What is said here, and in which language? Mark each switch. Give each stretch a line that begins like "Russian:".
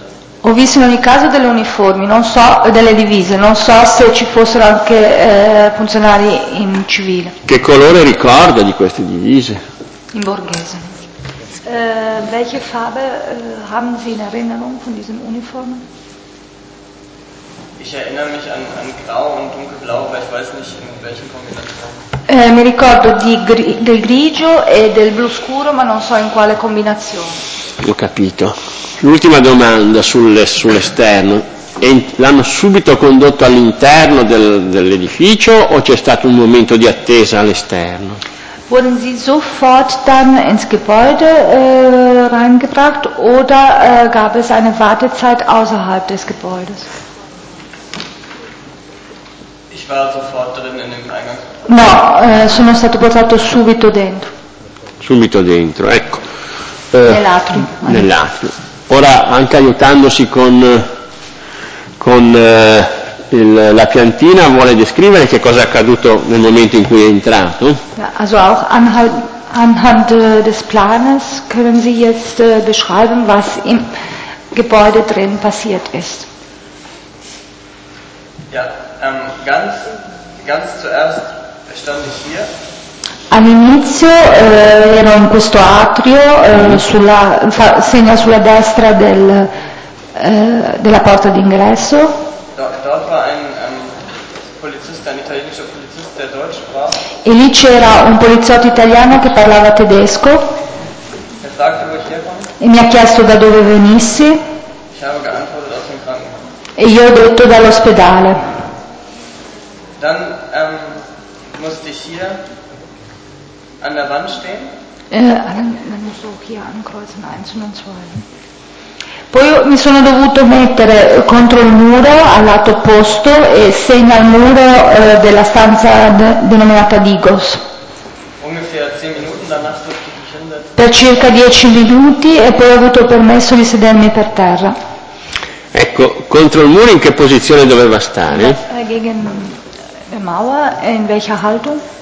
German: sind.
Italian: Ho visto in ogni caso delle uniformi, non so delle divise, non so se ci fossero anche funzionari in civile. Che colore ricorda di queste divise? In borghese.
German: Welche Farbe haben Sie in Erinnerung von diesen Uniformen? Ich erinnere mich an grau und dunkelblau, aber ich weiß nicht, in welchen Kombination.
Italian: Mi ricordo del grigio e del blu scuro, ma non so in quale combinazione. Ho capito. L'ultima domanda sull'esterno. L'hanno subito condotto all'interno dell'edificio o c'è stato un momento di attesa all'esterno?
German: Wurden Sie sofort dann ins Gebäude reingebracht oder gab es eine Wartezeit außerhalb des Gebäudes? Ich war sofort drin in dem Eingang.
Italian: No, sono stato portato subito dentro. Subito dentro, ecco. Nell'atrio. Ora, anche aiutandosi con la piantina, vuole descrivere che cosa è accaduto nel momento in cui è entrato?
German: Ja, also auch anhand des Planes können Sie jetzt beschreiben, was im Gebäude drin passiert ist. Ja, ganz zuerst stand ich hier.
Italian: All'inizio ero in questo atrio, segna sulla destra della porta d'ingresso.
German: Dort war ein Polizist, ein italienischer Polizist, der Deutsch sprach.
Italian: E lì c'era un poliziotto italiano che parlava tedesco.
German: Er fragte, wo ich herkomme.
Italian: E mi ha chiesto da dove venissi.
German: Ich habe geantwortet, aus dem Krankenhaus.
Italian: E io ho detto dall'ospedale.
German: Dann musste ich hier an der Wand stehen. Dann musst du auch hier ankreuzen, 1 und 2.
Italian: Poi mi sono dovuto mettere contro il muro al lato opposto e segna il muro della stanza denominata Digos.
German: Ungefähr 10 Minuten, danach durfte ich mich hinsetzen.
Italian: Per circa 10 minuti e poi ho avuto permesso di sedermi per terra. Ecco, contro il muro in che posizione doveva stare?
German: Gegen der Mauer, in welcher Haltung?